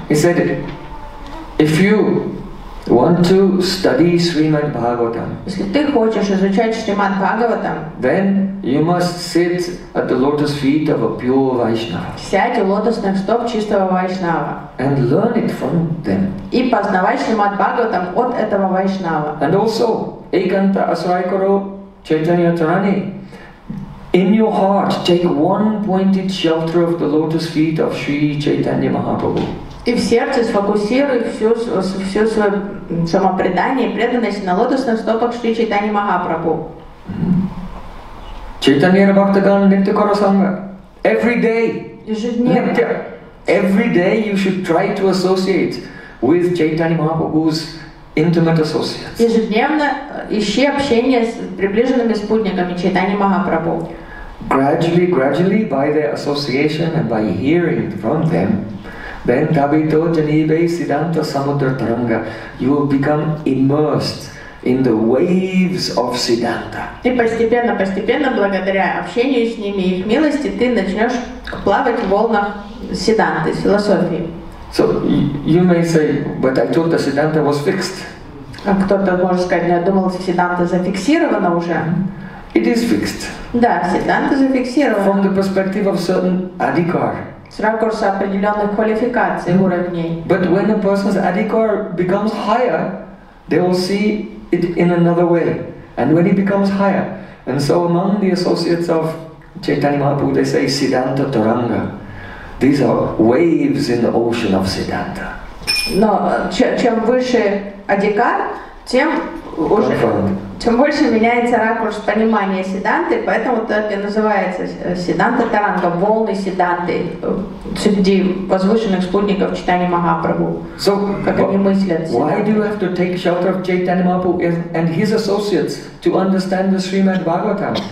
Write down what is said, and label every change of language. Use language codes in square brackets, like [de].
[en] He said, if you want to study Srimad Bhagavatam, [ru] если ты хочешь изучать Шримад Бхагаватам, [en] then you must sit at the lotus feet of a pure Vaishnava. [ru] Сядь у лотосных стоп чистого Вайшнава. [en] And learn it from them. [ru] И познавай Шримад Бхагаватам от этого Вайшнава. [en] And also, [bn] Ekanta Asray Karo Chaitanya Charane. [en] In your heart, take one pointed shelter of the lotus feet of Sri Chaitanya Mahaprabhu. [ru] И в сердце сфокусируй все свое самопредание и преданность на лотосных стопах Шри Чайтани Махапрабху. [bn] Чайтанья Бхактагана Нитя Кара Санга. [en] Every day. [ru] Ежедневно. [en] Every day you should try to associate with Чайтанья Махапрабху's intimate associates. [ru] Ежедневно ищи общение с приближенными спутниками Чайтанья Махапрабху. [en] Gradually, gradually, by their association and by hearing from them, then [bn] Tabito Janibe Siddhanta Samudra Taranga, [en] you will become immersed in the waves of Siddhanta. [ru] И постепенно, постепенно, благодаря общению с ними и их милости, ты начнешь плавать в волнах Сидданты, философии. [en] So you may say, but I thought the Siddhanta was fixed. [ru] А кто-то может сказать, я думал, Сидданта зафиксирована уже. [en] It is fixed. [ru] Да, Сидданта зафиксирована. [en] From the perspective of certain adhikar. [ru] С ракурса определенных квалификаций, уровней. [en] But when a person's adhikar becomes higher, they will see it in another way. And when he becomes higher, and so among the associates of Chaitanya Mahaprabhu, they say Siddhanta Taranga. These are waves in the ocean of Siddhanta. [ru] Но чем выше адикар, тем уже тем больше меняется ракурс понимания Сидданты, поэтому так и называется Сидданта Таранга, волны Сидданты среди возвышенных спутников Чайтанья Махапрабху. [en] So, [ru] как они мыслят? [en] Why do you have to take shelter of Chaitanya Mahaprabhu and his associates to understand the Srimad Bhagavatam?